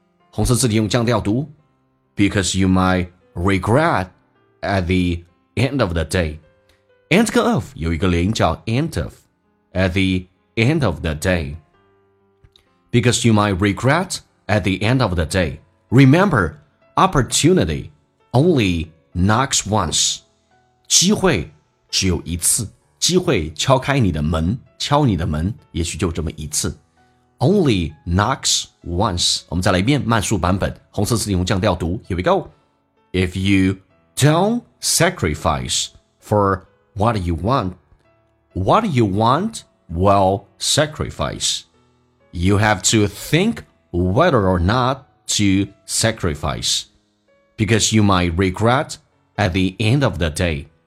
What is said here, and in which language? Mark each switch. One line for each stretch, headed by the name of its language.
Chinese: 红色字体用降调读
English: Because you might regret at the end of the day. End 跟 of
Chinese: 有一个连音叫
English: end of. At the end of the day. Because you might regret at the end of the day. Remember, opportunity only knocks once.
Chinese: 机会只有一次，机会敲开你的门，敲你的门也许就这么一次。
English: Only knocks once.
Chinese: 我们再来一遍慢速版本，红色字体用降调读。
English: Here we go. If you don't sacrifice for what you want will sacrifice. You have to think whether or not to sacrifice, because you might regret at the end of the day.